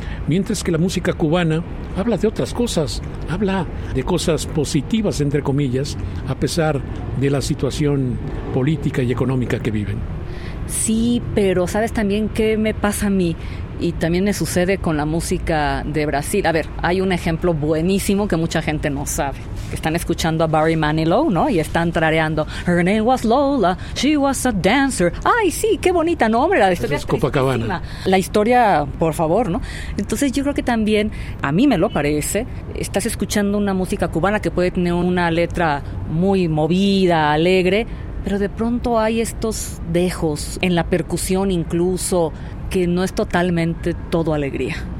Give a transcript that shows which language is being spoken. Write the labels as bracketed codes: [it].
[es] Mientras que la música cubana habla de otras cosas, habla de cosas positivas, entre comillas, a pesar de la situación política y económica que viven. Sí, pero ¿sabes también qué me pasa a mí? Y también me sucede con la música de Brasil. A ver, hay un ejemplo buenísimo que mucha gente no sabe. Están escuchando a Barry Manilow, ¿no? Y están tarareando. [en] Her name was Lola, she was a dancer. [es] ¡Ay, sí, qué bonita nombre! La historia es Copacabana. La historia, por favor, ¿no? Entonces yo creo que también, a mí me lo parece, estás escuchando una música cubana que puede tener una letra muy movida, alegre, pero de pronto hay estos dejos en la percusión incluso que no es totalmente todo alegría.